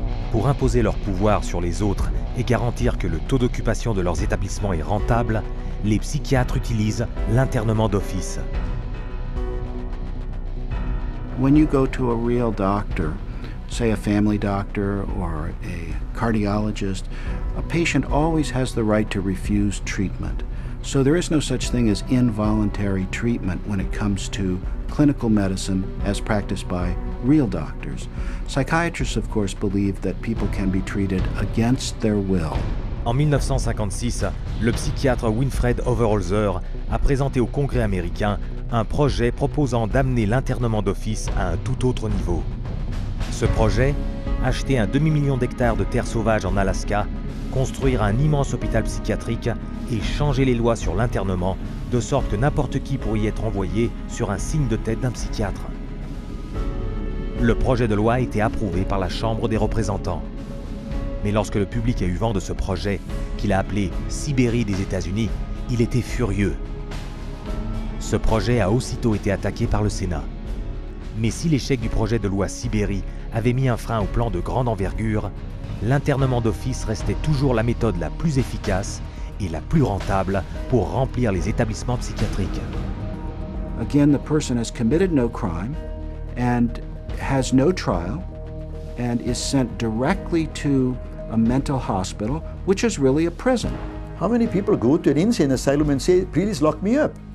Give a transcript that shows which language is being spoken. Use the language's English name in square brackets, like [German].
[French] Pour imposer leur pouvoir sur les autres et garantir que le taux d'occupation de leurs établissements est rentable, les psychiatres utilisent l'internement d'office. [English] When you go to a real doctor, say a family doctor or a cardiologist, a patient always has the right to refuse treatment. So there is no such thing as involuntary treatment when it comes to clinical medicine as practiced by real doctors. Psychiatrists, of course, believe that people can be treated against their will. [French] En 1956, le psychiatre Winfred Overholzer a présenté au Congrès américain un projet proposant d'amener l'internement d'office à un tout autre niveau. Ce projet, acheter un demi-million d'hectares de terres sauvages en Alaska, construire un immense hôpital psychiatrique et changer les lois sur l'internement de sorte que n'importe qui pourrait y être envoyé sur un signe de tête d'un psychiatre. Le projet de loi a été approuvé par la Chambre des représentants. Mais lorsque le public a eu vent de ce projet, qu'il a appelé « Sibérie des États-Unis », il était furieux. Ce projet a aussitôt été attaqué par le Sénat. Mais si l'échec du projet de loi Sibérie avait mis un frein au plan de grande envergure, l'internement d'office restait toujours la méthode la plus efficace et la plus rentable pour remplir les établissements psychiatriques. [English] Again, the person has committed no crime and has no trial and is sent directly to a mental hospital, which is really a prison. How many people go to an insane asylum and say, please lock me up?